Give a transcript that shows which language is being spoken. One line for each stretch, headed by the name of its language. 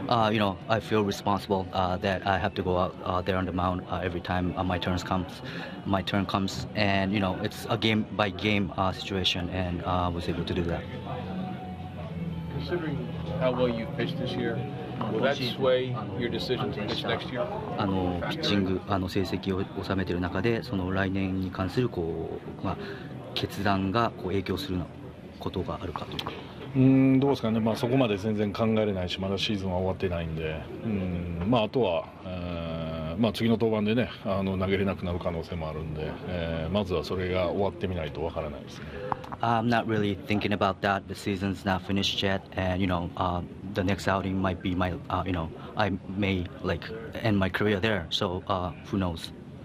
English: You know, I feel responsible that I have to go out there on the mound every time my turn comes, and you know, it's a game by game situation, and I was able to do that. Considering how well you've pitched this year.
Japanese: ピッチング成績を収めている中でその来年に関するこう、まあ、決断がこう影響するのことがあるかとか。どうですかね、まあ、そこまで全然考えられないしまだシーズンは終わってないんで、まあ、あとは、まあ、次の登板で、ね、投げれなくなる可能性もあるんで、まずはそれが終わってみないとわからないですね。
English: I'm not really thinking about that. The season's not finished yet, and you know, the next outing might be my, you know, I may like end my career there. So, who knows?